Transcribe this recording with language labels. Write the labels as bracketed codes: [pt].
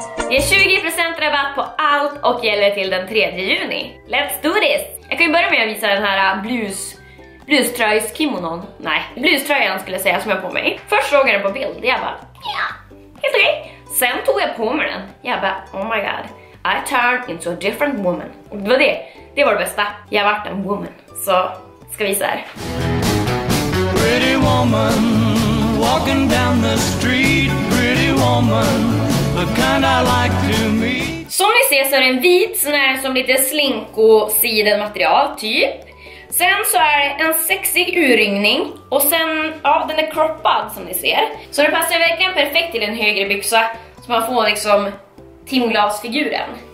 [sv] Det är 20% rabatt på allt och gäller till den 3 juni. [en] Let's do this! [sv] Jag kan ju börja med att visa den här bluströjskimonon. Nej, bluströjan skulle jag säga som jag har på mig. Först såg jag den på bild, jag bara, ja, helt okej. Sen tog jag på mig den. Jag bara, [en] oh my god. I turned into a different woman. [sv] Och det var det. Det var det bästa. Jag vart en woman. Så, ska visa här. [en] Pretty woman, walking down the street. Pretty woman, the kind I like to meet. [sv] Som ni ser så är det en vit sån här som lite slinko-siden material, typ. Sen så är det en sexig urringning. Och sen, ja, den är kroppad som ni ser. Så det passar verkligen perfekt till en högre byxa. Så man får liksom timglasfiguren.